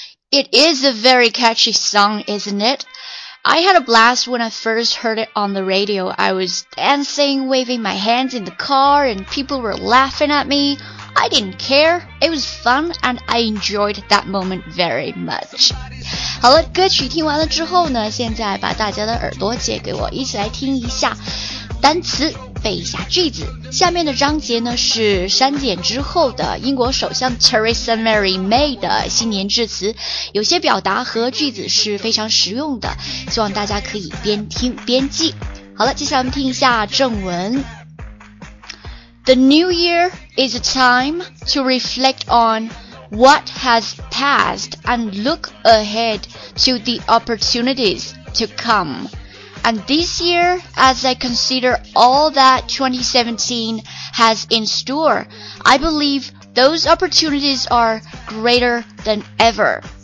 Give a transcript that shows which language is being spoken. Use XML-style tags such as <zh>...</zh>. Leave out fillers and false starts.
<en>It is a very catchy song, isn't it? I had a blast when I first heard it on the radio. I was dancing, waving my hands in the car, and people were laughing at me. I didn't care. It was fun, and I enjoyed that moment very much.</en> <zh>好了，歌曲听完了之后呢，现在把大家的耳朵借给我，一起来听一下单词，背一下句子。下面的章节呢是删减之后的英国首相 Theresa Mary May 的新年致辞，有些表达和句子是非常实用的，希望大家可以边听边记。好了，接下来我们听一下正文。</zh> <en>The New Year is a time to reflect on what has passed and look ahead to the opportunities to come. And this year, as I consider all that 2017 has in store, I believe those opportunities are greater than ever.</en>